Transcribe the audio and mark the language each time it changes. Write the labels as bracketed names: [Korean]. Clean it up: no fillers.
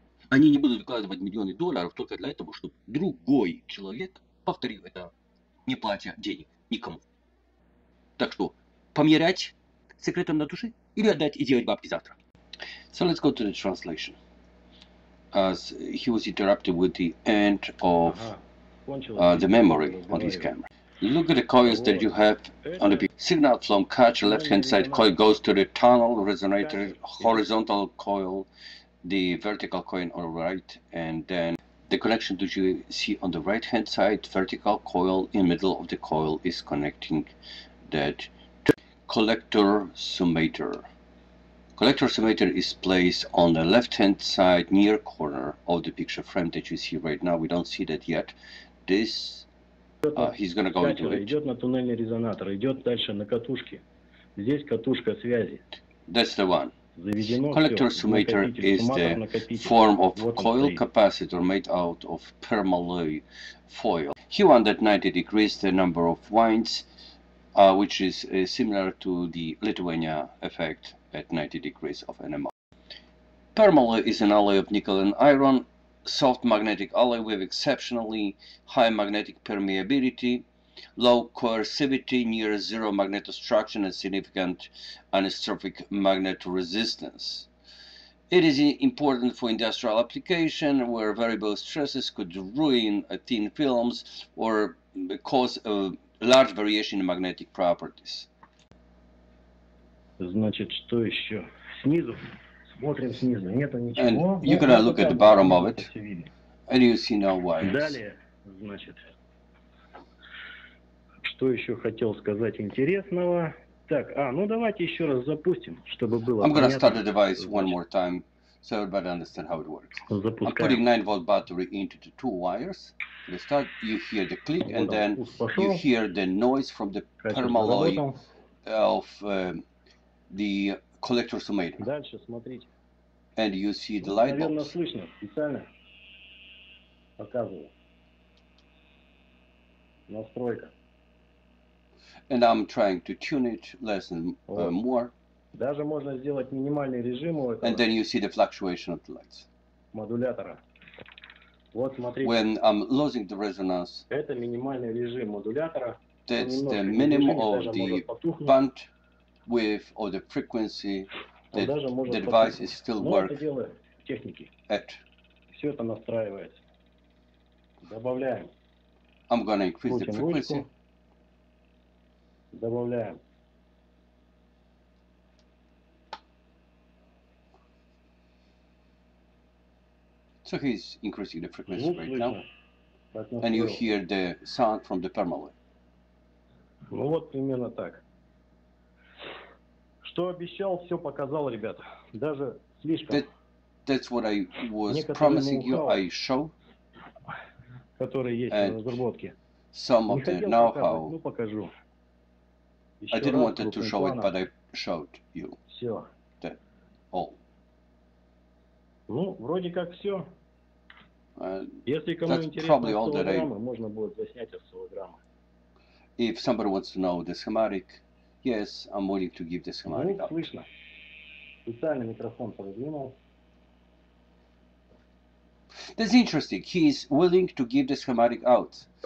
[Russian] Они не будут выкладывать миллионы долларов только для того, чтобы другой человек повторил это, не платя денег никому. Так что, помирять секретом на душе или отдать и делать бабки завтра? [English] So let's go to the translation. As he was interrupted with the end of the memory on his camera. Look at the coils that you have on the signal from catch left-hand side coil goes to the tunnel resonator, horizontal coil, the vertical coil on the right, and then the connection that you see on the right-hand side, vertical coil in middle of the coil is connecting that to collector summator. Collector summator is placed on the left-hand side near corner of the picture frame that you see right now. We don't see that yet. This he's gonna go into it. [Russian] Идет на туннельный резонатор, идет дальше на катушке. Здесь катушка связи. [English] That's the one. Collector summator is the form of coil capacitor made out of permalloy foil. He wanted 90 degrees the number of winds, which is similar to the Lithuania effect at 90 degrees of NMR. Permalloy is an alloy of nickel and iron, soft magnetic alloy with exceptionally high magnetic permeability, low coercivity, near zero magnetostruction, and significant anisotropic magnetoresistance. It is important for industrial application where variable stresses could ruin thin films or cause a large variation in magnetic properties. [Russian] Значит, что еще? Снизу? Смотрим снизу. Нету ничего. [English] And you're gonna look at the bottom of it. And you see no wires. [Russian] Далее, значит, что еще хотел сказать интересного? Так, ну давайте еще раз запустим, чтобы было понятно. [English] I'm gonna start the device one more time, so everybody understand how it works. [Russian] Запускаем. [English] I'm putting 9-volt battery into the two wires. You start, you hear the click, and then you hear the noise from the permalloy of the collector summator. [Russian] Дальше смотрите. [English] And you see the light bulb. [Russian] Наверное, слышно специально. Показываю. Настройка. [English] And I'm trying to tune it less and more. [Russian] Даже можно сделать минимальный режим у этого. [English] And then you see the fluctuation of the lights. [Russian] Модулятора. Вот смотрите. [English] When I'm losing the resonance. [Russian] Это минимальный режим модулятора. [English] That's the minimum of the band with or the frequency that the device is still working at. [Russian] Все это настраивается. Добавляем. [English] I'm gonna increase the frequency. [Russian] Добавляем. [English] So he's increasing the frequency right now. And you hear the sound from the permalloy. [Russian] Ну вот примерно так. Что обещал, все показал, ребята. Даже слишком. [English] That's what I was promising you, I show. [Russian] Который есть на разработке. [English] Some of the know-how. [Russian] Ну покажу. [English] I didn't want to show it, but I showed you [Russian] все. [English] That all. [Russian] Ну, вроде как все. Если кому интересно голограммы, можно будет заснять из голограммы. [English] If somebody wants to know the schematic, yes, I'm willing to give the schematic. [Russian] Ну, слышно. Специально микрофон подвинул. [English] That's interesting. He is willing to give the schematic out.